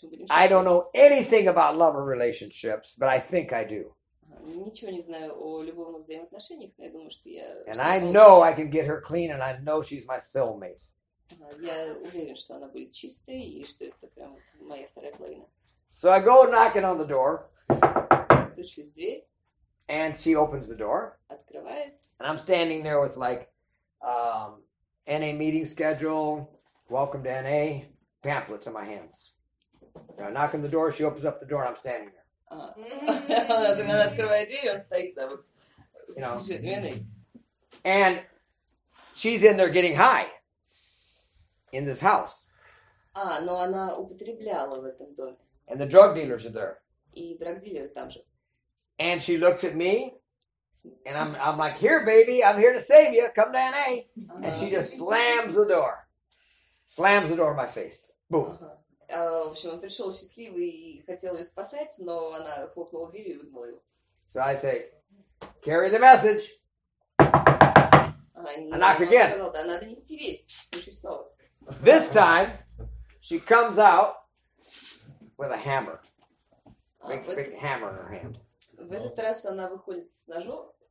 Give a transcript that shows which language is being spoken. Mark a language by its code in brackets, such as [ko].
[en] I don't know anything about love or relationships, but I think I do. And I know I can get her clean, and I know she's my soulmate. [ru] Я уверен, что она будет чистой и что это прям вот моя вторая половина. [en] So I go knocking on the door. [ru] Стучусь в дверь. [en] And she opens the door. [ru] Открывает. [en] And I'm standing there with like NA meeting schedule, welcome to NA, pamphlets in my hands. And I knock on the door, she opens up the door, and I'm standing there. [ru] Она открывает дверь, он стоит там с женой. [en] And she's in there getting high in this house. [ru] А, но она употребляла в этом доме. [en] And the drug dealers are there. [ru] И драгдилеры там же. [en] And she looks at me, and I'm like, here, baby, I'm here to save you. Come to NA. And she just slams the door in my face. Boom. [ru] В общем, он пришел счастливый и хотел ее спасать, но она хлопнула дверь и выгнала его. [en] So I say, carry the message. I knock again. [ru] Да, надо нести весть. Стучу снова. [en] This time, she comes out with a hammer. Big hammer in her hand. [ru] В этот раз она выходит с ножом.